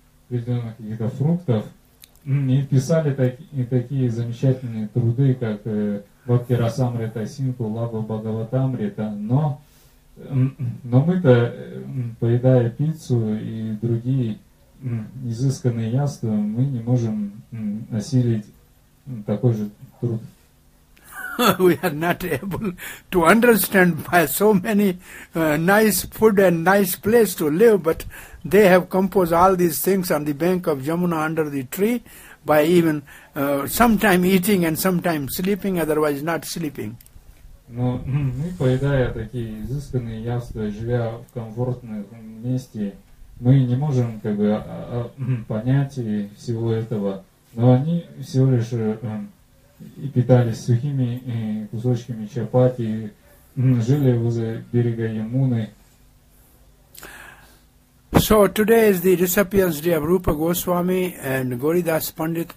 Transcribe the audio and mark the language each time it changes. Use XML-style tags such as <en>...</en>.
<ru>определенных каких-то фруктов и писали такие замечательные труды, как Бхакти Расамрита Симху, Лагу Бхагаватамрита, но мы-то, поедая пиццу и другие изысканные яства, мы не можем осилить такой же труд.</ru> <en>We are not able to understand by so many nice food and nice place to live, but they have composed all these things on the bank of Yamuna under the tree by even sometime eating and sometime sleeping, otherwise not sleeping.</en> <ru>Но мы, поедая такие изысканные яства, живя в комфортном месте, мы не можем как бы понять всего этого. Но они всего лишь и питались сухими кусочками чапати, жили возле берега Ямуны.</ru> <en>So today is the recipients day of Rupa Goswami and Goridas Pandit.</en>